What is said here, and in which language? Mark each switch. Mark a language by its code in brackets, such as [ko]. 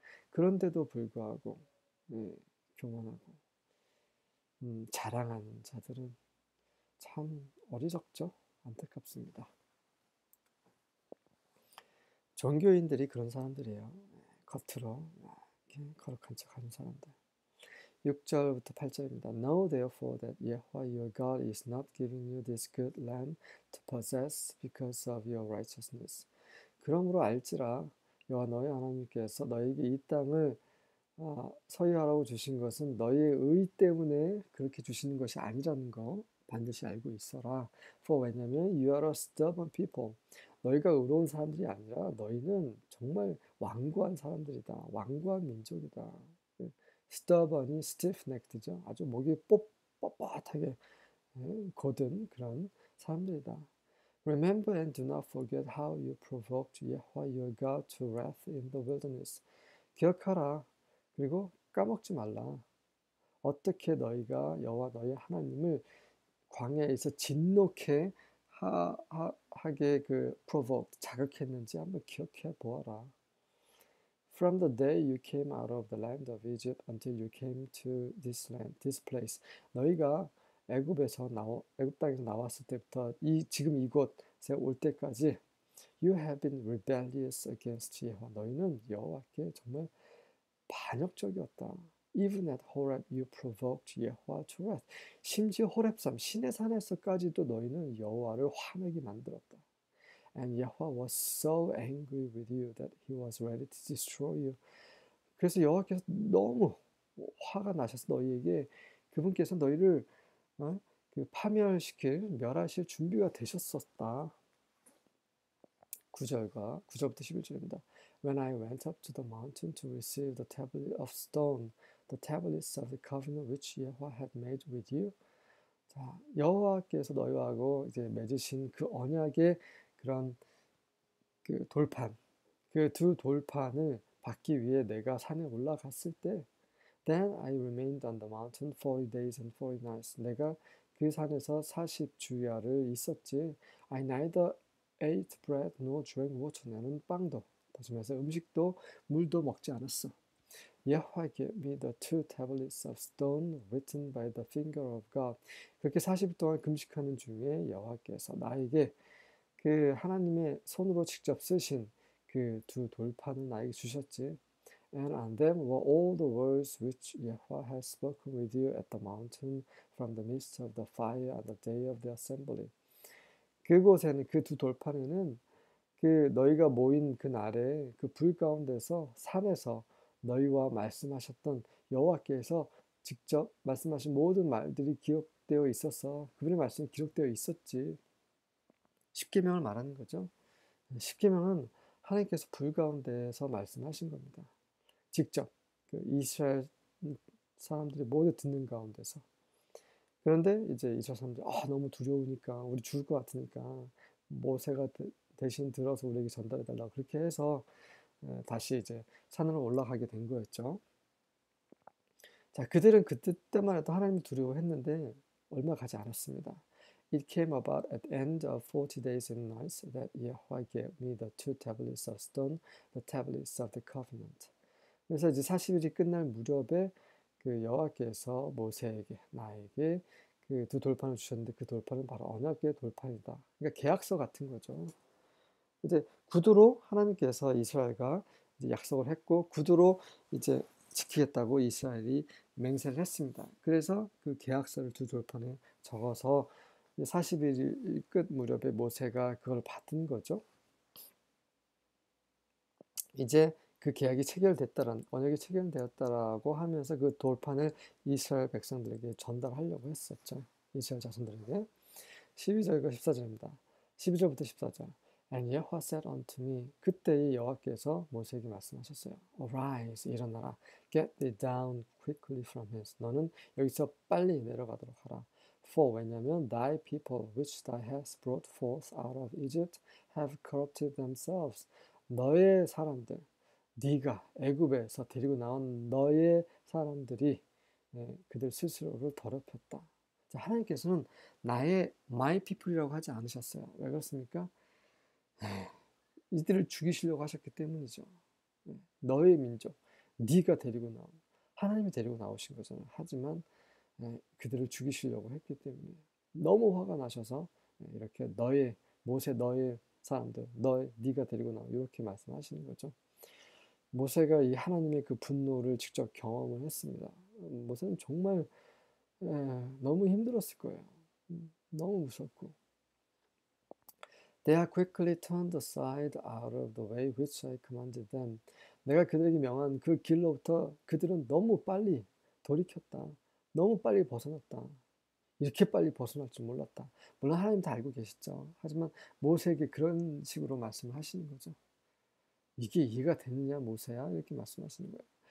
[ko] 그런데도 불구하고 교만하고 자랑하는 자들은 참 어리석죠. 안타깝습니다. 종교인들이 그런 사람들이에요. 겉으로 거룩한 척 하는 사람들. 6절부터 8절입니다. [en] Know therefore that Yahweh your God is not giving you this good land to possess because of your righteousness. [ko] 그러므로 알지라 여호와 너희 하나님께서 너희에게 이 땅을 소유하라고 주신 것은 너희의 의 때문에 그렇게 주시는 것이 아니라는 거 반드시 알고 있어라. [en] For [ko] 왜냐면 [en] you are a stubborn people. [ko] 너희가 의로운 사람들이 아니라 너희는 정말 완고한 사람들이다. 완고한 민족이다. Stubborn이 stiff-necked죠. 아주 목이 뻣뻣하게 고든 그런 사람들이다. [en] Remember and do not forget how you provoked Yahweh your God to wrath in the wilderness. [ko] 기억하라. 그리고 까먹지 말라. 어떻게 너희가 여호와 너희 하나님을 광야에서 진노케 하게 provoked 자극했는지 한번 기억해 보아라. [en] From the day you came out of the land of Egypt until you came to this land, this place. [ko] 너희가 애굽 땅에서 나왔을 때부터 지금 이곳에 올 때까지 [en] you have been rebellious against Yahweh. [ko] 너희는 여호와께 정말 반역적이었다. [en] Even at Horeb, you provoked Yahweh to wrath. [ko] 심지어 호렙산, 시내 산에서까지도 너희는 여호와를 화내게 만들었다. [en] And Yahweh was so angry with you that he was ready to destroy you. [ko] 그래서 여호와께서 너무 화가 나셔서 너희에게 그분께서 너희를 파멸시킬, 멸하실 준비가 되셨었다. 9절부터 11절입니다. [en] When I went up to the mountain to receive the tablet of stone, the tablets of the covenant which Yahweh had made with you. [ko] 자, 여호와께서 너희하고 이제 맺으신 그 언약의 그런 그 돌판, 그두 돌판을 받기 위해 내가 산에 올라갔을 때, [en] Then I remained on the mountain 40 days and 40 nights. [ko] 내가 그 산에서 40주야를 있었지. [en] I neither ate bread nor drank water. [ko] 나는 빵도, 다짐해서 음식도, 물도 먹지 않았어. [en] Yahweh gave me the two tablets of stone written by the finger of God. [ko] 그렇게 40일 동안 금식하는 중에 여호와께서 나에게 그 하나님의 손으로 직접 쓰신 그두 돌판을 나에게 주셨지. And on them were all the words which Yahweh had spoken with you at the mountain from the midst of the fire on the day of the assembly. 그곳에는 그두 돌판에는 그 너희가 모인 그날에 그불 가운데서 산에서 너희와 말씀하셨던 여호와께서 직접 말씀하신 모든 말들이 기록되어 있었어. 그분의 말씀이 기록되어 있었지. 십계명을 말하는 거죠. 십계명은 하나님께서 불 가운데서 말씀하신 겁니다. 직접 그 이스라엘 사람들이 모두 듣는 가운데서. 그런데 이제 이스라엘 사람들이 너무 두려우니까, 우리 죽을 것 같으니까 모세가 대신 들어서 우리에게 전달해 달라고, 그렇게 해서 다시 이제 산으로 올라가게 된 거였죠. 자, 그들은 그때만 해도 하나님을 두려워했는데 얼마 가지 않았습니다. [en] It came about at the end of 40 days and nights that Yahweh gave me the two tablets of stone, the tablets of the covenant. [ko] 그래서 이제 40일이 끝날 무렵에 그 여호와께서 모세에게, 나에게 그두 돌판을 주셨는데, 그 돌판은 바로 언약궤 돌판이다. 그러니까 계약서 같은 거죠. 이제 구두로 하나님께서 이스라엘과 이제 약속을 했고, 구두로 이제 지키겠다고 이스라엘이 맹세를 했습니다. 그래서 그 계약서를 두 돌판에 적어서 40일 끝 무렵에 모세가 그걸 받은 거죠. 이제 그 계약이 체결됐다라는, 언약이 체결되었다라고 하면서 그 돌판을 이스라엘 백성들에게 전달하려고 했었죠. 이스라엘 자손들에게. 12절과 14절입니다. 12절부터 14절. [en] And Yahweh said unto me, [ko] 그때의 여호와께서 모세에게 말씀하셨어요. [en] Arise, [ko] 일어나라. [en] Get thee down quickly from hence. [ko] 너는 여기서 빨리 내려가도록 하라. [en] For [ko] 왜냐면 [en] thy people, which thou hast brought forth out of Egypt, have corrupted themselves. [ko] 너의 사람들, 네가 애굽에서 데리고 나온 너의 사람들이 그들 스스로를 더럽혔다. 자, 하나님께서는 나의 [en] my people [ko] 이라고 하지 않으셨어요. 왜 그렇습니까? 이들을 죽이시려고 하셨기 때문이죠. 너의 민족, 네가 데리고 나온, 하나님이 데리고 나오신 거잖아요. 하지만 그들을 죽이시려고 했기 때문에 너무 화가 나셔서 이렇게 너의 모세, 너의 사람들, 너의 네가 데리고 나와, 이렇게 말씀하시는 거죠. 모세가 이 하나님의 그 분노를 직접 경험을 했습니다. 모세는 정말 너무 힘들었을 거예요. 너무 무섭고. [en] They are quickly turned aside out of the way which I commanded them. [ko] 내가 그들에게 명한 그 길로부터 그들은 너무 빨리 돌이켰다. 너무 빨리 벗어났다. 이렇게 빨리 벗어날 줄 몰랐다. 물론 하나님 다 알고 계시죠. 하지만 모세에게 그런 식으로 말씀을 하시는 거죠. 이게 이해가 됐느냐, 모세야? 이렇게 말씀하시는 거예요.